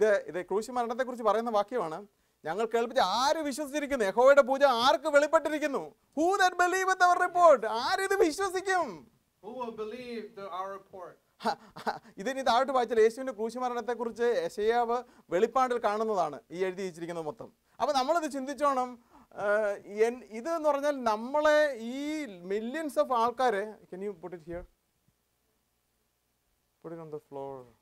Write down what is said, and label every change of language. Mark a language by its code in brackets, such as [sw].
[ml] ഇത് ക്രൂശ് മരണത്തെ കുറിച്ച് പറയുന്ന വാക്യമാണ്. ഞങ്ങൾ കേൾപ്പിച്ച് ആര് വിശ്വസിച്ചിരിക്കുന്നു? യഹോവയുടെ പൂജ ആർക്ക് വെളിപ്പെട്ടിരിക്കുന്നു? [en] Who that believe with our report? [ml] ആരിത് വിശ്വസിക്കും? [en] Who will believe our report? [ml] ഇതിനി താഴോട്ട് വായിച്ചാൽ യേശുവിന്റെ ക്രൂശുമരണത്തെ കുറിച്ച് യെശയ്യാവ് വെളിപ്പാടിൽ കാണുന്നതാണ് ഈ എഴുതി വെച്ചിരിക്കുന്നത് മൊത്തം. അപ്പൊ നമ്മളിത് ചിന്തിച്ചോണം. ഇത് എന്ന് പറഞ്ഞാൽ നമ്മളെ ഈ മില്യൻസ് ഓഫ് ആൾക്കാരെ, [en] can you put it here? Put it on the floor.